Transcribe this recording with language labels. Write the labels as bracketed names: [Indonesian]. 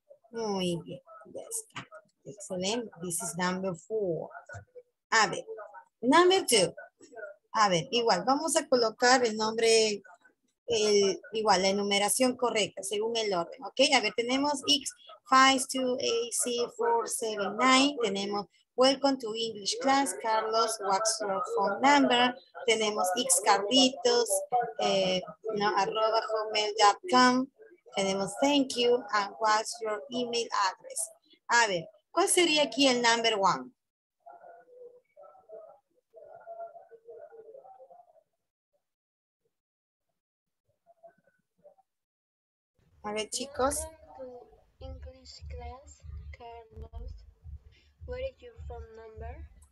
[Spanish] Muy bien, ya está. Excelente. [English] This is number four. [Spanish] A ver, [English] number two. [Spanish] A ver, igual, vamos a colocar el nombre, el, igual, la enumeración correcta, según el orden, ¿ok? A ver, tenemos X, 5, 2, 8, C, 4, 7, 9. [English] Tenemos Welcome to English Class, Carlos, what's your phone number? [Spanish] Tenemos X Carlitos, no, arroba homemail.com. [English] Tenemos thank you, and what's your email address? [Spanish] A ver, ¿cuál sería aquí el [English] number one? [Spanish] A ver, chicos. [English] English class, Carlos. What is your phone number?